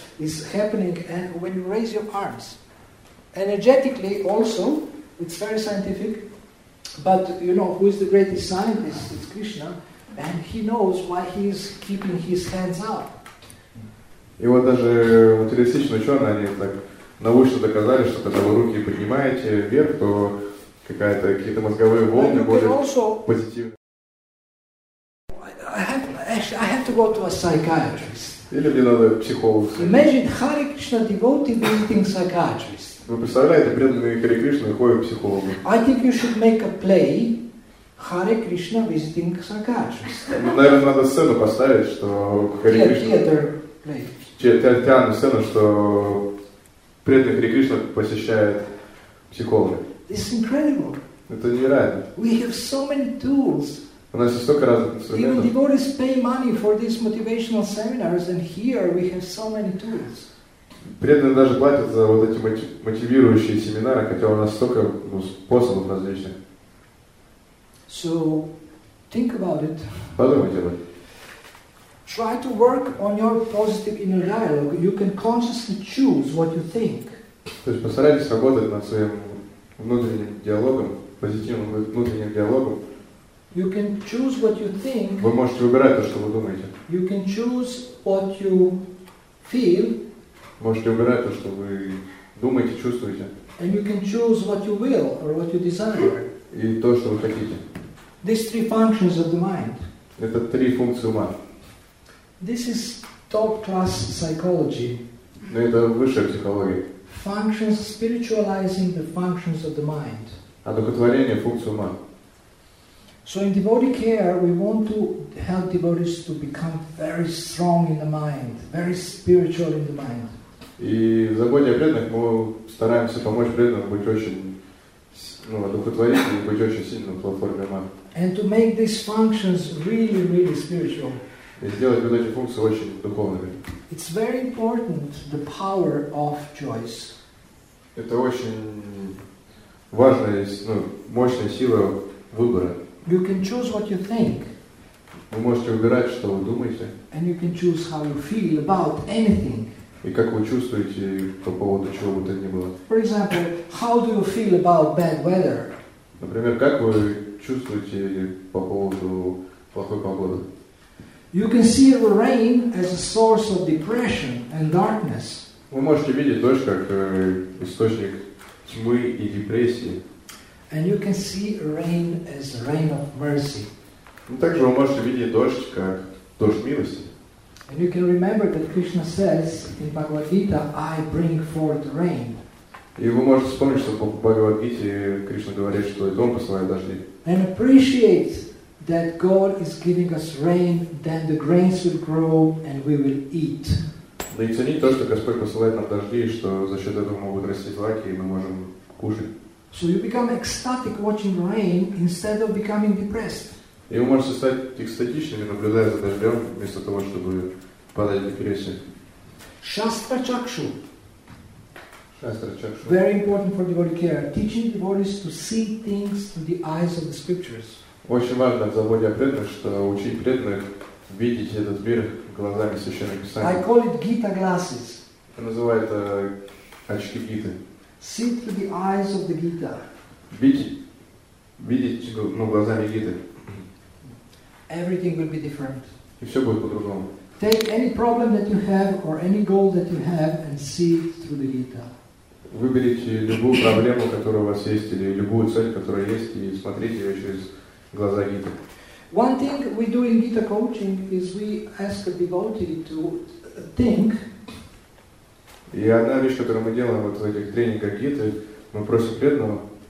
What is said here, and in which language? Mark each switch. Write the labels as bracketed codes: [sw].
[en] Is happening, and when you raise your arms, energetically also, it's very scientific. But you know who is the greatest scientist? It's Krishna, and he knows why he is keeping his hands up. [ru] И вот даже материалистичные ученые, они так научно доказали, что когда вы руки поднимаете вверх, то какие-то мозговые волны более позитивные. [en] I have to go to a psychiatrist. [ru] Или мне надо психолог. [en] Imagine Hare Krishna devotee meeting psychiatrist. [ru] Вы представляете, преданный Hare Krishna ходит к психологу. [en] I think you should make a play Hare Krishna visiting psychiatrist. [ru] Наверное, надо сцену поставить, что Hare Krishna. Театральную сцену, что преданный Hare Krishna посещает психолога. [en] This is incredible. [ru] Это невероятно. [en] We have so many tools. [ru] У нас есть столько разных инструментов. [en] Even devotees pay money for these motivational seminars, and here we have so many tools. [ru] Преданные даже платят за вот эти мотивирующие семинары, хотя у нас столько способов различных. [en] So, think about it. [ru] Подумайте об этом. [en] Try to work on your positive inner dialogue. You can consciously choose what you think. [ru] То есть постарайтесь работать над своим внутренним диалогом, позитивным внутренним диалогом. [en] You can choose what you think. [ru] Вы можете выбирать то, что вы думаете. [en] You can choose what you feel. [ru] Можете выбирать то, что вы думаете, чувствуете. [en] And you can choose what you will or what you desire. [ru] И то, что вы хотите. [en] These three functions of the mind. [ru] Это три функции ума. [en] This is top class psychology. [ru] Ну, это высшая психология. [en] Functions, spiritualizing the functions of the mind. [ru] Одухотворение функций ума. [en] So in devotee care, we want to help devotees to become very strong in the mind, very spiritual in the mind. [ru] И в заботе о преданных мы стараемся помочь преданным быть очень, ну, одухотворительным и быть очень сильным в платформе ума. [en] And to make these functions really, really spiritual. [ru] И сделать вот эти функции очень духовными. [en] It's very important, the power of choice. [ru] Это очень важная, ну, мощная сила выбора. [en] You can choose what you think. [ru] Вы можете выбирать, что вы думаете. [en] And you can choose how you feel about anything. [ru] И как вы чувствуете по поводу чего бы то ни было. [en] For example, how do you feel about bad weather? [ru] Например, как вы чувствуете по поводу плохой погоды? [en] You can see the rain as a source of depression and darkness. [ru] Вы можете видеть дождь как источник тьмы и депрессии. [en] And you can see rain as rain of mercy. [ru] Ну, также вы можете видеть дождь как дождь милости. [en] And you can remember that Krishna says in Bhagavad Gita, I bring forth rain. [ru] И вы можете вспомнить, что в Бхагавад Гите Кришна говорит, что и Он посылает дожди. [en] And appreciate that God is giving us rain, then the grains will grow and we will eat. [ru] Да и ценить то, что Господь посылает нам дожди, что за счет этого могут расти злаки и мы можем кушать. [en] So you become ecstatic watching rain instead of becoming depressed. [ru] И вы можете стать экстатичными, наблюдая за дождем, вместо того, чтобы падать в депрессию. [sa] Шастра чакшу. Шастра чакшу. [en] Very important for devotee care. Teaching devotees to see things through the eyes of the scriptures. [ru] Очень важно в заботе о преданных, что учить преданных видеть этот мир глазами Священного Писания. [en] I call it Gita glasses. [ru] Я называю это очки Гиты. [en] See through the eyes of the Gita. [ru] Видеть, ну, глазами Гиты. [en] Everything will be different. [ru] И все будет по-другому. [en] Take any problem that you have or any goal that you have and see it through the Gita. [ru] Выберите любую проблему, которая у вас есть, или любую цель, которая есть, и смотрите ее через глаза Гиты. [en] One thing we do in Gita coaching is we ask a devotee to think. [ru] И одна вещь, которую мы делаем вот в этих тренингах Гиты, мы просим преданного.